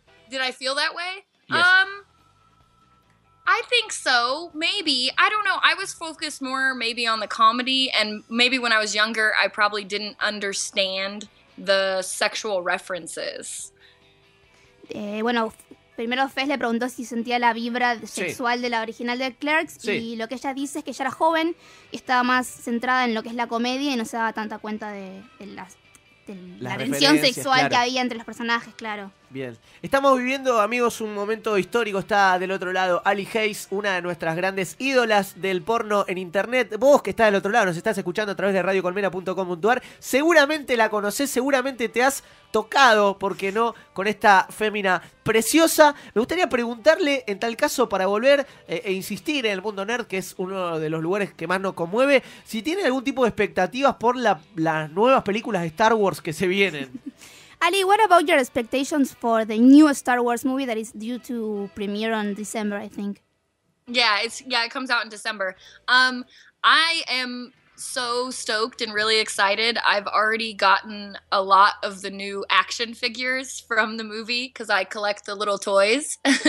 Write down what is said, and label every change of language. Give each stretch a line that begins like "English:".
English: Did I feel that way? Yes. I think so, maybe. I don't know. I was focused more maybe on the comedy, and maybe when I was younger, I probably didn't understand the sexual references.
Spanish: Bueno, primero Fez le preguntó si sentía la vibra sexual de la original de Clerks, sí. Y lo que ella dice es que ella era joven y estaba más centrada en lo que es la comedia y no se daba tanta cuenta de la tensión sexual que había entre los personajes, claro. Bien. Estamos viviendo, amigos, un momento histórico. Está del otro lado Ali Hayes, una de nuestras grandes ídolas del porno en internet. Vos, que estás del otro lado, nos estás escuchando a través de radiocolmena.com.ar. Seguramente la conocés, seguramente te has tocado, ¿por qué no?, con esta fémina preciosa. Me gustaría preguntarle, en tal caso, para volver e insistir en el mundo nerd, que es uno de los lugares que más nos conmueve, si tiene algún tipo de expectativas por las nuevas películas de Star Wars que se vienen.
English: Ali, what about your expectations for the new Star Wars movie that is due to premiere on December, I think? It comes out in December. I am so stoked and really excited. I've already gotten a lot of the new action figures from the movie because I collect the little toys.